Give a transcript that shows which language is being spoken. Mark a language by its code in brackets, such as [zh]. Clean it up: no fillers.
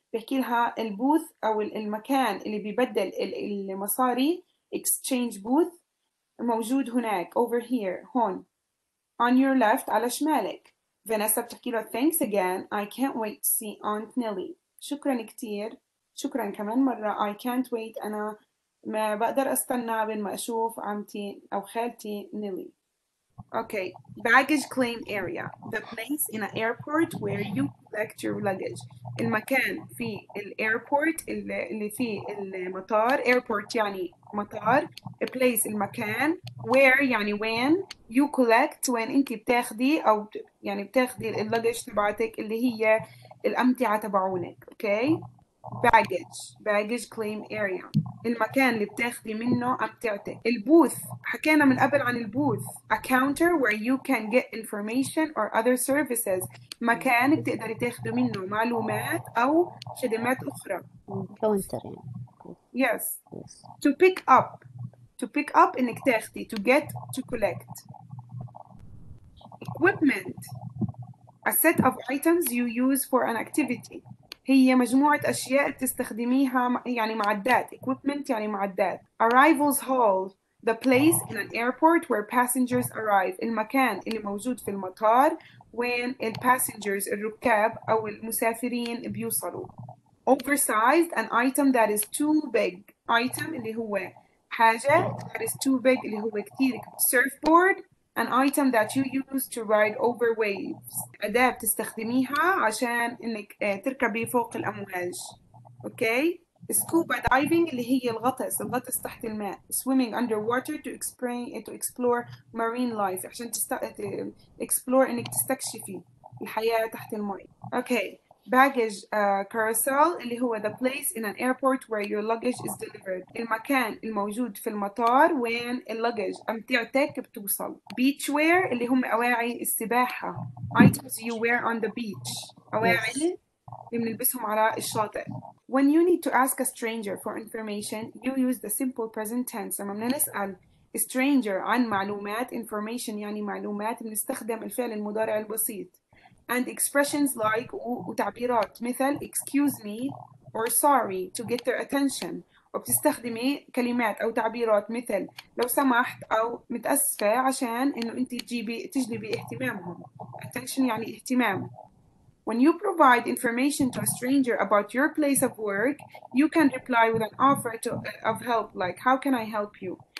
[ar] بحكي لها البوث أو المكان اللي بيبدل المصاري [en] exchange booth [ar] موجود هناك [en] over here [ar] هون [en] on your left [ar] على شمالك. [en] Vanessa [ar] بتحكي له [en] thanks again I can't wait to see Aunt Nellie. [ar] شكرا كتير. شكرا كمان مرة. [en] I can't wait [ar] أنا ما بقدر أستنى بين ما أشوف عمتي أو خالتي نيلي. [en] Okay, baggage claim area. The place in an airport where you collect your luggage. [ar] المكان في الايربورت اللي في المطار. Airport يعني مطار. [en] A place [ar] المكان where يعني وين [en] you collect [ar] وين انت بتاخدي او يعني بتاخدي اللوجج تبعتك اللي هي الأمتعة تبعونك. [en] Okay, baggage claim area. [ar] المكان اللي بتاخدي منه أمتعتك. البوث حكينا من قبل عن البوث. [en] A counter where you can get information or other services. [ar] مكان بتقدر تاخدي منه معلومات أو خدمات أخرى. [en] Counter. Yes. To pick up. To pick up [ar] إنك تاخدي. [en] To get. To collect. Equipment. A set of items you use for an activity. [ar] هي مجموعة أشياء بتستخدميها يعني معدات. [en] Equipment [ar] يعني معدات. [en] Arrivals hall. The place in an airport where passengers arrive. [ar] المكان اللي موجود في المطار وين ال passengers الركاب أو المسافرين بيوصلوا. [en] Oversized. An item that is too big. Item [ar] اللي هو حاجة [en] that is too big [ar] اللي هو كتير. [en] Surfboard. An item that you use to ride over waves. [ar] أداة بتستخدميها عشان إنك تركبي فوق الأمواج. Okay. Scuba diving اللي هي الغطس. الغطس تحت الماء. [en] Swimming underwater to explore marine life. [ar] عشان explore إنك تستكشفي الحياة تحت الماء. [en] Okay. Baggage carousel [ar] اللي هو [en] the place in an airport where your luggage is delivered. [ar] المكان الموجود في المطار وين اللوجج أمتعتك بتوصل. Beach wear اللي هم أواعي السباحة. [en] Items you wear on the beach. [ar] أواعي اللي بنلبسهم على الشاطئ. [en] When you need to ask a stranger for information, you use the simple present tense. [ar] لما بنسأل stranger عن معلومات information يعني معلومات بنستخدم الفعل المضارع البسيط. [en] And expressions like [ar] وتعبيرات مثل [en] excuse me or sorry to get their attention. [ar] وبتستخدمي كلمات أو تعبيرات مثل لو سمحت أو متأسفة عشان إنه أنت تجلبي اهتمامهم. Attention يعني اهتمام. [en] When you provide information to a stranger about your place of work, you can reply with an offer of help like how can I help you.